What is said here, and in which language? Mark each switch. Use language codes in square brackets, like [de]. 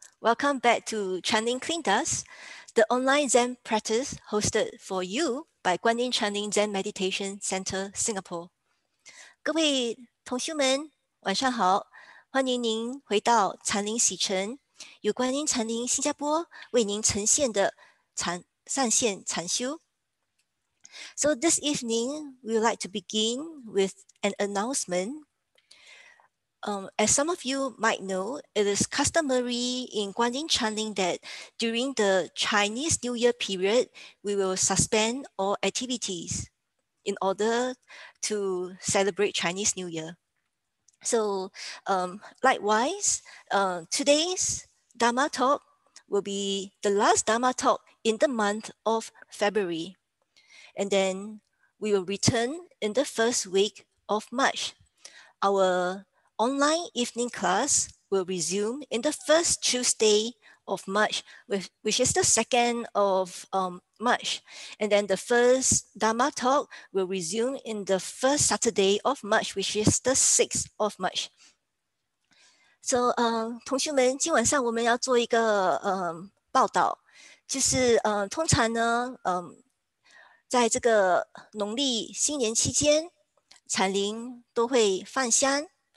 [en] Welcome back to Chanting Clean Dust, the online Zen practice hosted for you by Guanyin Chanting Zen Meditation Center Singapore. [zh] 各位同学们，晚上好！欢迎您回到禅林喜城，由观音禅林新加坡为您呈现的禅上线禅修。 [en] So this evening, we would like to begin with an announcement. As some of you might know, it is customary in Guanyin Chanting that during the Chinese New Year period, we will suspend all activities in order to celebrate Chinese New Year. So likewise, today's Dharma talk will be the last Dharma talk in the month of February. And then we will return in the first week of March. Our online evening class will resume in the first Tuesday of March, which is the 2nd of March. And then the first Dharma talk will resume in the first Saturday of March, which is the 6th of March. [zh] So, 同学们，今晚上我们要做一个 报导，就是 通常呢， 在这个农历新年期间，禅林都会放香。